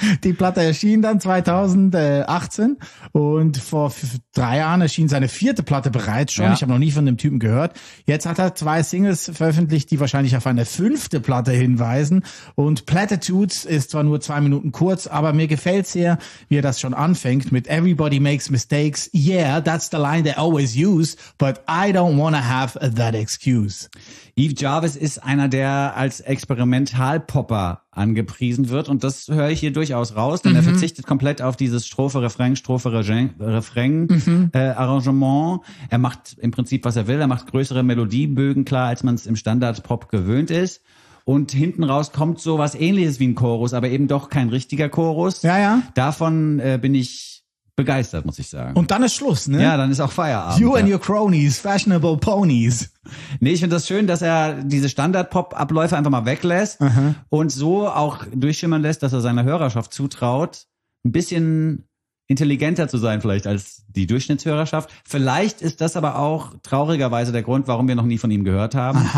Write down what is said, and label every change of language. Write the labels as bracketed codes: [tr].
[de] Die Platte erschien dann 2018 und vor drei Jahren erschien seine vierte Platte. Hatte bereits schon, ich habe noch nie von dem Typen gehört. Jetzt hat er zwei Singles veröffentlicht, die wahrscheinlich auf eine fünfte Platte hinweisen. Und Platitudes ist zwar nur 2 Minuten kurz, aber mir gefällt sehr, wie er das schon anfängt mit [en] Everybody makes mistakes. Yeah, that's the line they always use, but I don't wanna have that excuse. [de] Yves Chavez ist einer, der als Experimentalpopper angepriesen wird und das höre ich hier durchaus raus, denn er verzichtet komplett auf dieses Strophe-Refrain Arrangement. Er macht im Prinzip, was er will. Er macht größere Melodiebögen klar, als man es im Standard-Pop gewöhnt ist. Und hinten raus kommt so was Ähnliches wie ein Chorus, aber eben doch kein richtiger Chorus. Ja, ja. Davon bin ich begeistert, muss ich sagen. Und dann ist Schluss, ne? Ja, dann ist auch Feierabend. [en] You and your cronies, fashionable ponies. [de] Nee, ich finde das schön, dass er diese Standard-Pop-Abläufe einfach mal weglässt und so auch durchschimmern lässt, dass er seiner Hörerschaft zutraut, ein bisschen intelligenter zu sein vielleicht als die Durchschnittshörerschaft. Vielleicht ist das aber auch traurigerweise der Grund, warum wir noch nie von ihm gehört haben.